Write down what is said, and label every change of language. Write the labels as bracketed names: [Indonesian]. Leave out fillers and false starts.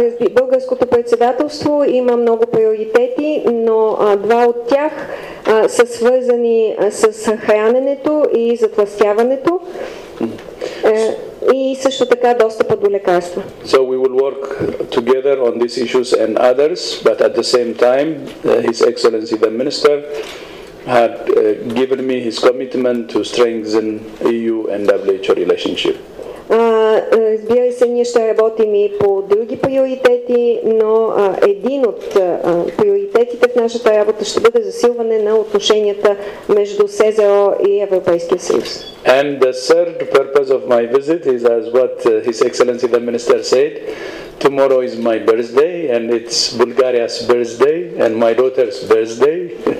[Bulgarian] Българското председателство има много приоритети, но два от тях са свързани с храненето и затластяването и също така достъпа до лекарства. [English] So we will work together on these issues and others, but at the same time, His Excellency the Minister had given me his commitment to strengthen EU and WHO relationship. [Bulgarian] Разбира се, ние ще работим и по други приоритети, но един от приоритетите в нашата работа ще бъде засилване на отношенията между СЗО и Европейския съюз. [English] And the third purpose of my visit is as what His Excellency the Minister said. Tomorrow is my birthday and it's Bulgaria's birthday and my daughter's birthday.